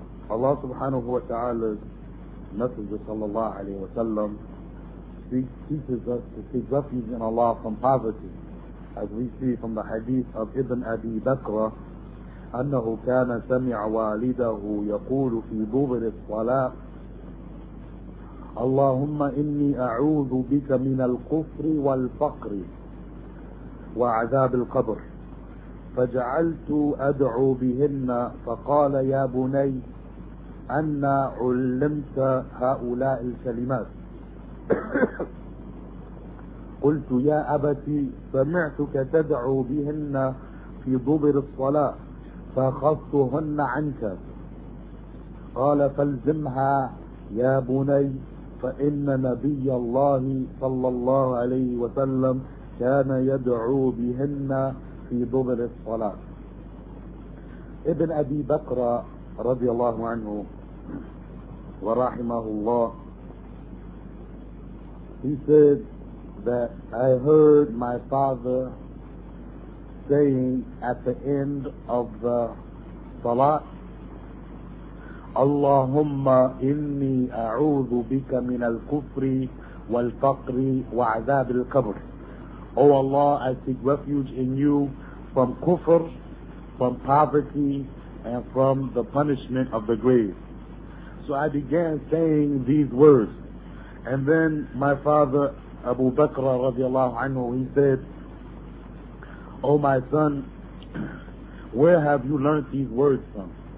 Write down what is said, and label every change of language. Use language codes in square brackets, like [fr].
[en] Allah subhanahu wa ta'ala's Messenger sallallahu alayhi wa sallam teaches us to seek refuge in Allah from poverty, as we see from the hadith of Ibn Abi Bakr, [ar] أنه كان سمع والده يقول في ظهر الصلاة اللهم إني أعوذ بك من الكفر والفقر وعذاب القبر. فجعلت أدعو بهن فقال يا بني أنا علمت هؤلاء الكلمات. قلت يا أبتي سمعتك تدعو بهن في ضبر الصلاة فخفتهن عنك. قال فالزمها يا بني فإن نبي الله صلى الله عليه وسلم كان يدعو بهن في ضبر الصلاة. ابن أبي بكر رضي الله عنه ورحمه الله, [en] he said that I heard my father saying at the end of the salat, [ar] اللهم إني أعوذ بك من الكفر والفقر وعذاب القبر. [en] Oh Allah, I seek refuge in you from kufr, from poverty, and from the punishment of the grave. So I began saying these words. And then my father, Abu Bakr radiallahu anhu, he said, Oh my son, where have you learned these words from?